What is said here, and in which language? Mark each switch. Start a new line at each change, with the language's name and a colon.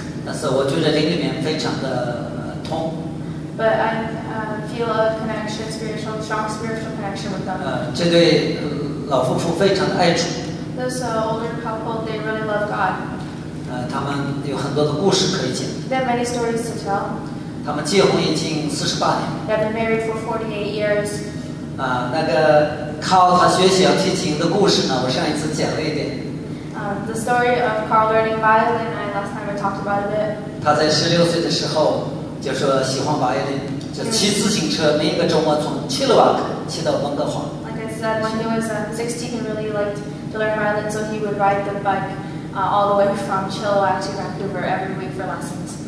Chinese: 但是我觉得灵里面非常的通。
English: But I feel a connection, spiritual, strong spiritual connection with them.
Chinese: 这对老夫妇非常的爱主。
English: Those older couple, they really love God.
Chinese: 他们有很多的故事可以讲。
English: They have many stories to tell.
Chinese: 他们结婚已经48年。
English: They have been married for 48 years.
Chinese: 那个靠他学习小提琴的故事呢，我上一次讲了一点。
English: The story of Carl learning violin, I last time I talked about a bit.
Chinese: 他在16岁的时候。就说喜欢玩的就骑自行车每一个周末从切勒瓦克骑到温哥华。
English: Like I said, when he was 16, he really liked to learn violin, so he would ride the bike all the way from Chilliwack to Vancouver every week for lessons.